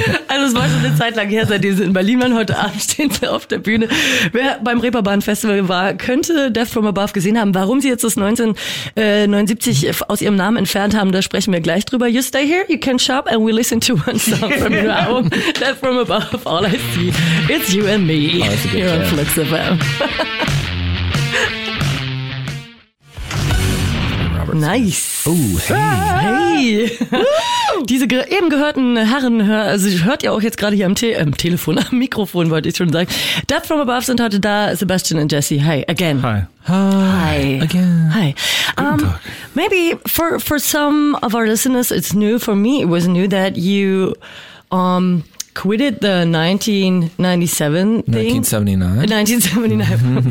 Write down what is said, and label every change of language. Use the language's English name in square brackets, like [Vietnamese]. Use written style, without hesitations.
[German] Also es war schon eine Zeit lang her, seit wir in Berlin waren. Heute Abend stehen wir auf der Bühne. Wer beim Reeperbahn-Festival war, könnte Death From Above gesehen haben. Warum sie jetzt das 1979 aus ihrem Namen entfernt haben, da sprechen wir gleich drüber. [English] You stay here, you can shop, and we listen to one song from your album. Death From Above, all I see. It's you and me. Here on Flux FM. Nice. Oh, hey. Hey. [German] Diese eben gehörten Herren, also hört ihr auch jetzt gerade hier am Telefon, am Mikrofon, wollte ich schon sagen. Death From Above sind heute da, Sebastian und Jesse. [English] Hi, again. Hi. Hi. Again. Hi. Maybe for some of our listeners, it's new. For me, it was new that you quitted the 1979.